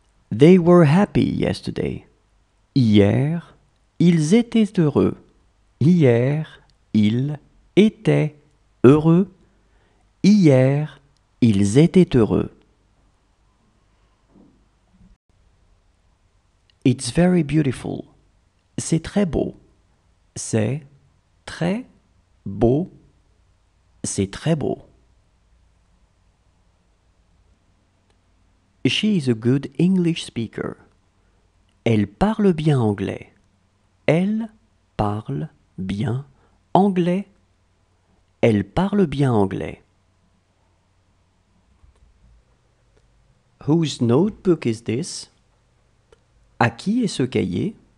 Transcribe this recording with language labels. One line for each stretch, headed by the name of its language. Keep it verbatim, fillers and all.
English: They were happy yesterday.
French: Hier, ils étaient heureux. Hier, ils étaient heureux. Hier, ils étaient heureux.
English: It's very beautiful.
French: C'est très beau. C'est très beau. C'est très beau.
English: She is a good English speaker.
French: Elle parle bien anglais. Elle parle bien anglais. Elle parle bien anglais.
English: Whose notebook is this?
French: À qui est ce cahier?